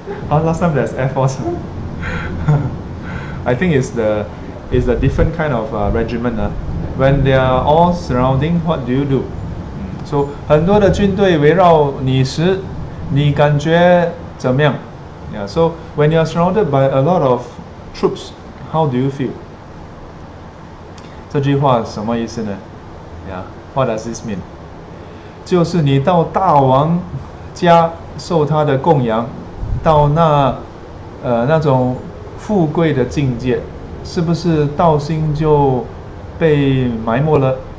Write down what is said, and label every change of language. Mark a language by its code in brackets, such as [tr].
[en] Oh, last time there's Air Force, huh? I think it's the different kind of regiment, huh? When they are all surrounding, what do you do? [zh] So 很多的军队围绕你时, 你感觉怎么样? [en] Yeah, so when you are surrounded by a lot of troops, how do you feel? [zh] 这句话什么意思呢? [en] Yeah, what does this mean? [zh] 就是你到大王家受他的供养, 到那种富贵的境界, 是不是道心就被埋没了?